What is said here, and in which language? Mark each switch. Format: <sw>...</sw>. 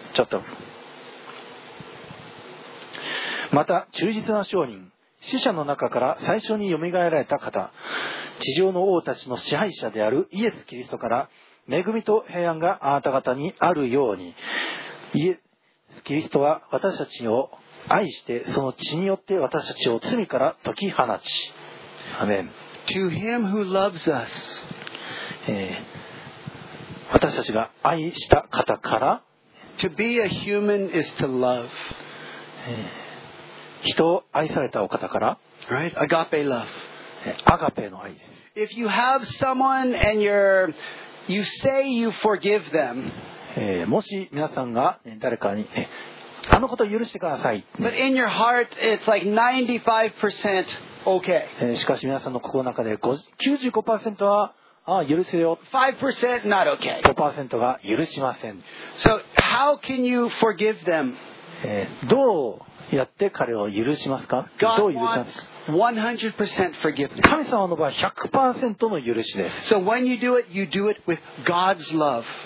<ja>ちょっとまた忠実な証人死者の中から最初によみがえられた方地上の王たちの支配者であるイエス・キリストから恵みと平安があなた方にあるようにイエス・キリストは私たちを愛してその血によって私たちを罪から解き放ちアメン。</ja> <en>To him who loves us.</en> <ja>私たちが愛した方から</ja> <en>To be a human is to love.</en> <ja>人を愛されたお方から</ja> <en>Right? Agape love.</en> <ja>アガペの愛です。</ja> <en>If you have someone and you say you forgive them.</en> <ja>もし皆さんが誰かにあのことを許してください。</ja> <en>But in your heart it's like 95%Okay.</en> <ja>しかし皆さんの心の中で 95% はああ許せよ</ja> <en>5% not okay.</en> <ja>5% が許しません。</ja> <en>So how can you forgive them?</en> <ja>どうやって彼を許しますか?</ja> <en>God</en> <ja>どう許しますか?</ja> <en>wants 100% forgiveness.</en> <ja>神様の場合 100% の許しです。</ja> <en>So when you do it with God's love.</en>